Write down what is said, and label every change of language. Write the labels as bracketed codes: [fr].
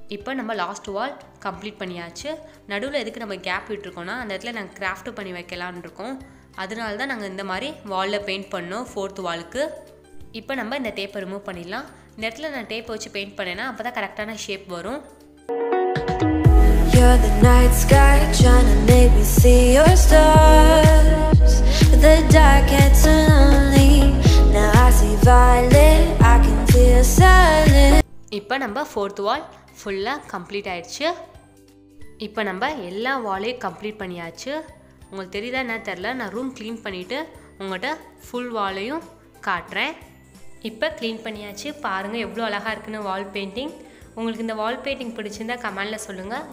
[ta] இப்போ நம்ம லாஸ்ட் வால் கம்ப்ளீட் பண்ணியாச்சு. நடுவில் எதுக்கு நம்ம கேப் விட்டுருக்கோம்னா, அந்த இடத்துல நாங்கள் கிராஃப்ட் பண்ணி வைக்கலான் இருக்கோம். அதனால தான் நாங்கள் இந்த மாதிரி வாலில் பெயிண்ட் பண்ணோம் 4th wall. இப்போ நம்ம இந்த டேப்பை ரிமூவ் பண்ணிடலாம். இந்த இடத்துல நான் டேப்பை வச்சு பெயிண்ட் பண்ணேன்னா அப்போ தான் கரெக்டான ஷேப் வரும். [en] You're the night sky trying to make me see your stars. The dark gets lonely. Now I see violet, I can feel silent. [ta] இப்போ நம்ம 4th wall ஃபுல்லாக கம்ப்ளீட் ஆயிடுச்சு. இப்போ நம்ம எல்லா வாலையும் கம்ப்ளீட் பண்ணியாச்சு. உங்களுக்கு தெரியுதா என்ன தெரில, நான் ரூம் க்ளீன் பண்ணிவிட்டு உங்கள்கிட்ட ஃபுல் வாலையும் காட்டுறேன். இப்போ க்ளீன் பண்ணியாச்சு. பாருங்கள் எவ்வளோ அழகாக இருக்குன்னு வால் பெயிண்டிங். உங்களுக்கு இந்த வால் பெயிண்டிங் பிடிச்சிருந்தா கமெண்ட்டில் சொல்லுங்கள்.